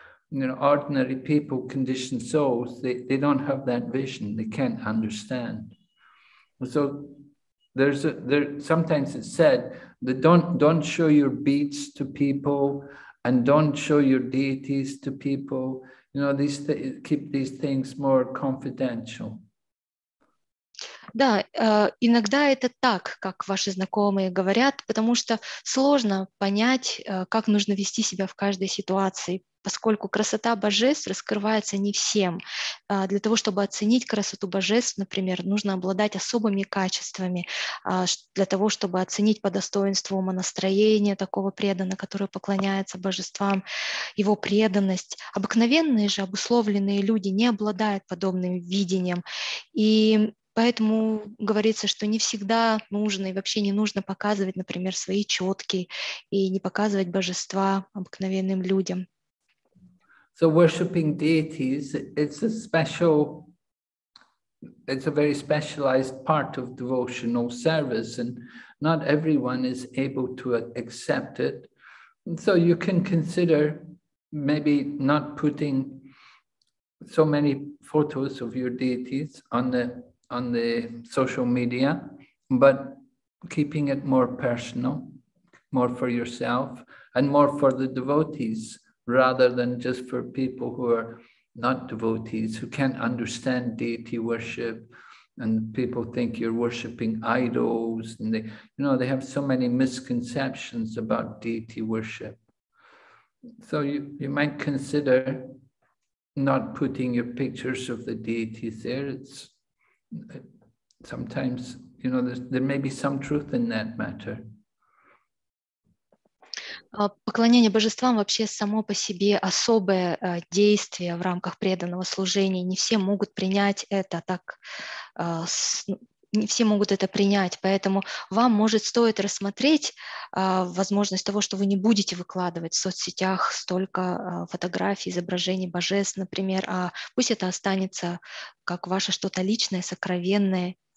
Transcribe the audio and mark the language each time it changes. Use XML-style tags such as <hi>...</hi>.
<en>You know, ordinary people, conditioned souls, they don't have that vision, they can't understand. So sometimes it's said that don't show your beads to people and don't show your deities to people. You know, keep these things more confidential.</en> <ru>Да, иногда это так, как ваши знакомые говорят, потому что сложно понять, как нужно вести себя в каждой ситуации. Поскольку красота божеств раскрывается не всем. Для того, чтобы оценить красоту божеств, например, нужно обладать особыми качествами, для того, чтобы оценить по достоинству умонастроение такого преданного, который поклоняется божествам, его преданность. Обыкновенные же обусловленные люди не обладают подобным видением. И поэтому говорится, что не всегда нужно и вообще не нужно показывать, например, свои четки и не показывать божества обыкновенным людям.</ru> <en>So worshipping deities, it's a special, it's a very specialized part of devotional service, and not everyone is able to accept it. And so you can consider maybe not putting so many photos of your deities on the social media, but keeping it more personal, more for yourself, and more for the devotees. Rather than just for people who are not devotees, who can't understand deity worship, and people think you're worshiping idols, and they, you know, they have so many misconceptions about deity worship. So you might consider not putting your pictures of the deities there. It's sometimes, you know, there may be some truth in that matter.</en> <ru>Поклонение божествам вообще само по себе особое действие в рамках преданного служения. Не все могут принять это так, не все могут это принять. Поэтому вам, может, стоит рассмотреть возможность того, что вы не будете выкладывать в соцсетях столько фотографий, изображений божеств, например, а пусть это останется как ваше что-то личное, сокровенное,</ru>